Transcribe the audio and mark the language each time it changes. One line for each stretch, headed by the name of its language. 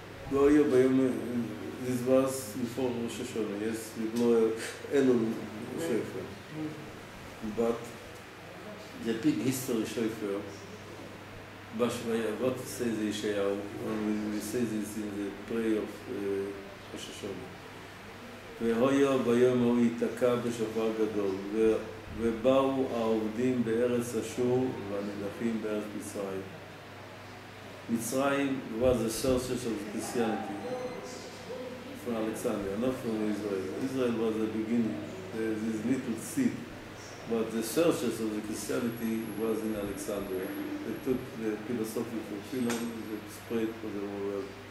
Hebrew: V'hoyo b'yom,
English: this was before Rosh Hashanah. Yes, we blow Elul shofar. But the big history shofar. What says Yeshayahu when we say this in the prayer of Rosh Hashanah?
Hebrew: והיה ביום ההוא יתקע בשופר גדול, ובאו העובדים בארץ אשור והנדחים בארץ מצרים.
English: מצרים was the source of Christianity from Alexandria, not from Israel. Israel was the beginning, this little seed. But the source of the Christianity was in Alexandria. They took the philosophy from Philon and spread for the whole world.